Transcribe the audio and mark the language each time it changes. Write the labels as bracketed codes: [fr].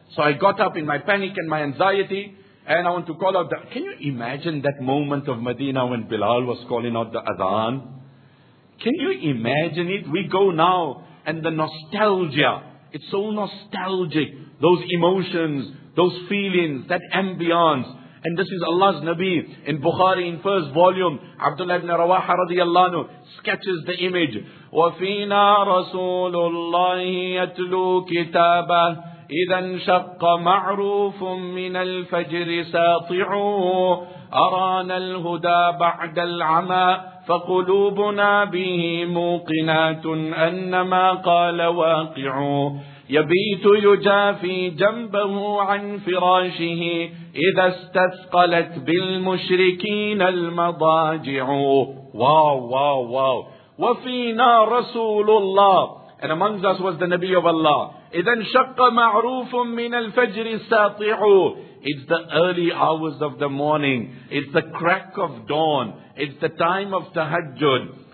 [en] So I got up in my panic and my anxiety, and I want to call out the, can you imagine that moment of Medina when Bilal was calling out the Adhan? Can you imagine it? We go now, and the nostalgia, it's so nostalgic, those emotions, those feelings, that ambience. And this is Allah's Nabi in Bukhari in first volume. Abdullah ibn Rawaha radiallahu anhu sketches the image. [ar] وَفِينَا رَسُولُ اللَّهِ يَتْلُو كِتَابَهُ إِذَا انْشَقَّ مَعْرُوفٌ مِّنَ الْفَجْرِ سَاطِعُوهُ أَرَانَا الْهُدَى بَعْدَ الْعَمَى فَقُلُوبُنَا بِهِ مُوقِنَاتٌ أَنَّمَا قَالَ وَاقِعُوهُ يبيت يجافي جنبه عن فراشه إذا استثقلت بالمشركين المضاجع. [en] Wow wow wow. [ar] وفينا رسول الله, [en] and amongst us was the Nabi of Allah. [ar] إذا انشق معروف من الفجر الساطع, [en] it's the early hours of the morning, it's the crack of dawn, it's the time of tahajjud.